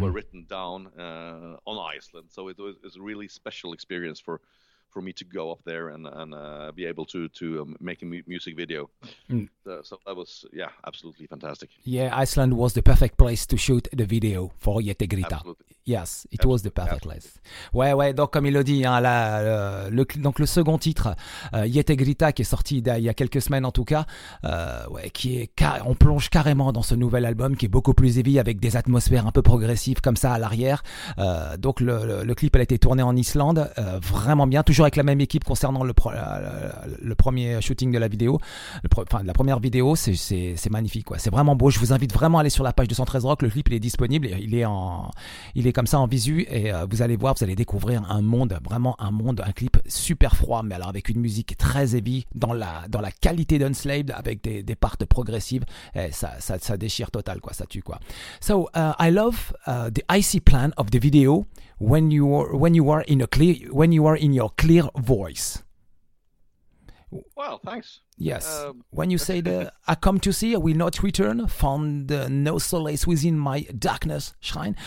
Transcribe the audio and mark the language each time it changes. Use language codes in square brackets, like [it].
[en] were written down on Iceland. So it was, a really special experience for me to go up there and be able to make a music video. So that was, yeah, absolutely fantastic. Yeah, Iceland was the perfect place to shoot the video for Yete Grita. Absolutely. Yes, it was the perfect place. [fr] Ouais, donc comme il le dit, hein, le second titre, Yete Grita, qui est sorti il y a quelques semaines en tout cas, on plonge carrément dans ce nouvel album qui est beaucoup plus heavy, avec des atmosphères un peu progressives comme ça à l'arrière. Donc le clip, elle a été tournée en Islande, vraiment bien, toujours avec la même équipe concernant le premier shooting de la vidéo, enfin de la première vidéo. C'est magnifique quoi, c'est vraiment beau. Je vous invite vraiment à aller sur la page de 113 Rock. Le clip, il est disponible, il est comme ça en visu, et vous allez voir, vous allez découvrir un monde, un clip super froid, mais alors avec une musique très heavy, dans la qualité d'Unslaved, avec des parts progressives, et ça déchire total quoi, ça tue quoi. [en] So I love the icy plan of the video when you are in your clear voice. Well, thanks. Yes. When you say I come to see, I will not return, found no solace within my darkness shrine.